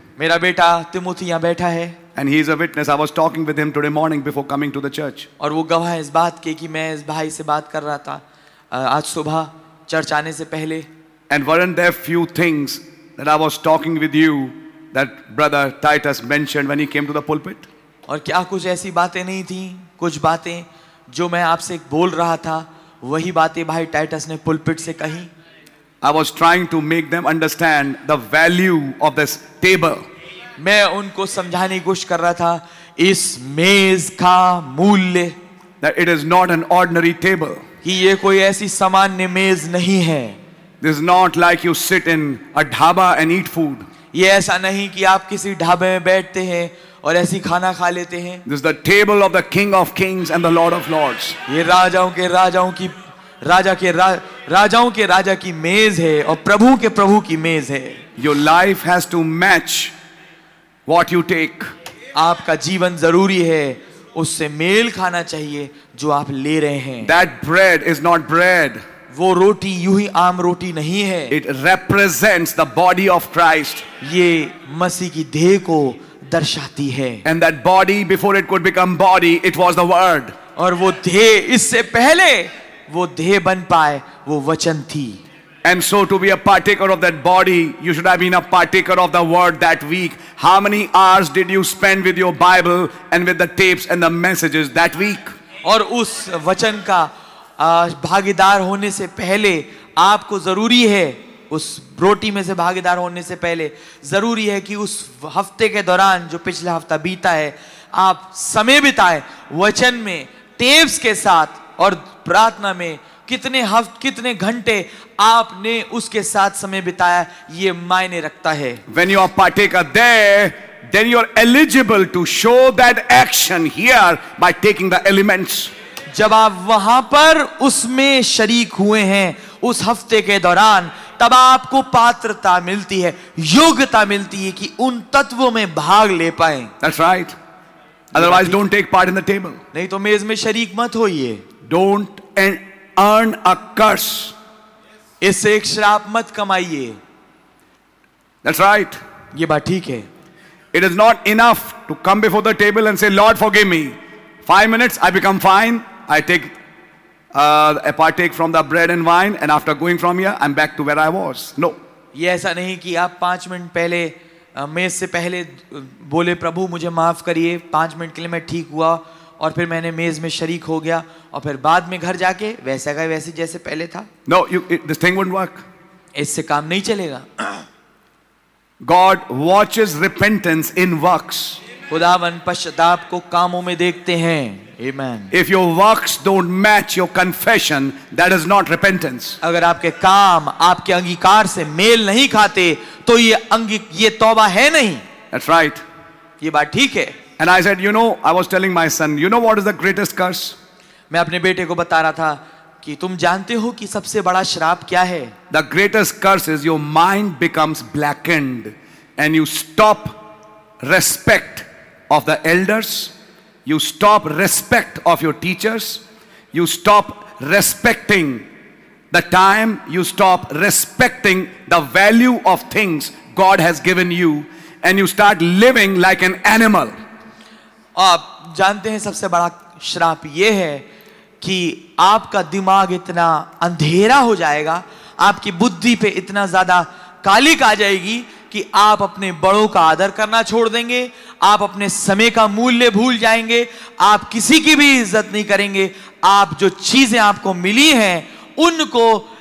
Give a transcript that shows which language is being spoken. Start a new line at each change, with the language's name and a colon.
Hindi: मेरा बेटा तिमोथी यहाँ बैठा है.
English: And he is a witness. I was talking with him today morning before coming to the church.
Hindi: और वो गवाह है इस बात के कि मैं इस भाई से बात कर रहा था आज सुबह चर्च आने से पहले.
English: And weren't there few things that I was talking with you that brother Titus mentioned when he came to the pulpit?
Hindi: और क्या कुछ ऐसी बातें नहीं थी, कुछ बातें जो मैं आपसे बोल रहा था, वही बातें भाई टाइटस ने पुलपिट से कही.
English: I was trying to make them understand the value of this table.
Hindi: मैं उनको समझाने की कोशिश कर रहा था इस मेज का मूल्य.
English: That it is not an ordinary table.
Hindi: कि ये कोई ऐसी सामान्य मेज नहीं है.
English: This is not like you sit in a dhaba and eat food.
Hindi: ये ऐसा नहीं कि आप किसी ढाबे में बैठते हैं और ऐसी खाना खा लेते हैं.
English: This is the table of the King of Kings and the Lord of Lords.
Hindi: ये राजाओं के राजाओं की राजा के राजाओं के राजा की मेज है और प्रभु के प्रभु की मेज है.
English: Your life has to match what you take.
Hindi: आपका जीवन जरूरी है, उससे मेल खाना चाहिए जो आप ले रहे हैं.
English: That bread is not bread.
Hindi: वो रोटी यूं ही आम रोटी नहीं है.
English: It represents the body of Christ.
Hindi: ये मसीह की देह को दर्शाती है.
English: And that body, before it could become body, it was the Word.
Hindi: और वो देह इससे पहले वो देह बन पाए वो वचन थी.
English: And so to be a partaker of that body, you should have been a partaker of the Word that week. How many hours did you spend with your Bible and with the tapes and the messages that week?
Hindi: और उस वचन का भागीदार होने से पहले आपको जरूरी है, उस रोटी में से भागीदार होने से पहले जरूरी है कि उस हफ्ते के दौरान जो पिछला हफ्ता बीता है आप समय बिताए वचन में, टेप्स के साथ और प्रार्थना में. कितने हफ्ते, कितने घंटे आपने उसके साथ समय बिताया ये मायने रखता है.
English: When you are partaker there, then you are eligible to show that action here by taking the elements.
Hindi: जब आप वहां पर उसमें शरीक हुए हैं उस हफ्ते के दौरान, तब आपको पात्रता मिलती है, योग्यता मिलती है कि उन तत्वों में भाग ले पाए.
English: That's right. Otherwise, don't take part in the table.
Hindi: नहीं तो मेज में शरीक मत होइए.
English: Don't earn a curse.
Hindi: इससे एक श्राप मत कमाइए.
English: That's right.
Hindi: ये बात ठीक है.
English: It is not enough to come before the table and say, Lord, forgive me. 5 minutes, I become fine. I partake from the bread and wine, and after going from here, I'm back to where I was. No.
Hindi: ये ऐसा नहीं कि आप 5 minute पहले मेज से पहले बोले, प्रभु मुझे माफ करिए, 5 मिनट के लिए मैं ठीक हुआ और फिर मैंने मेज में शरीक हो गया और फिर बाद में घर जाके वैसा का वैसे जैसे पहले था.
English: No, this thing won't work.
Hindi: इससे काम नहीं चलेगा.
English: God watches repentance in works.
Hindi: खुदावन पश्चाताप को कामों में देखते हैं.
English: Amen. If your works don't match your confession, that is not repentance.
Hindi: अगर आपके काम आपके अंगीकार से मेल नहीं खाते तो ये तौबा है नहीं.
English: That's right.
Hindi: ये बात ठीक है.
English: And I said, you know, I was telling my son, you know what is the greatest curse?
Hindi: मैं अपने बेटे को बता रहा था कि तुम जानते हो कि सबसे बड़ा श्राप क्या है.
English: The greatest curse is your mind becomes blackened and you stop respect of the elders. You stop respect of your teachers. You stop respecting the time. You stop respecting the value of things God has given you. And you start living like an animal.
Hindi: आप जानते हैं सबसे बड़ा श्राप ये है कि आपका दिमाग इतना अंधेरा हो जाएगा, आपकी बुद्धि पे इतना ज्यादा कालिक आ जाएगी कि आप अपने बड़ों का आदर करना छोड़ देंगे, आप अपने समय का मूल्य भूल जाएंगे, आप किसी की भी इज्जत नहीं करेंगे, आप जो चीजें आपको मिली हैं उनको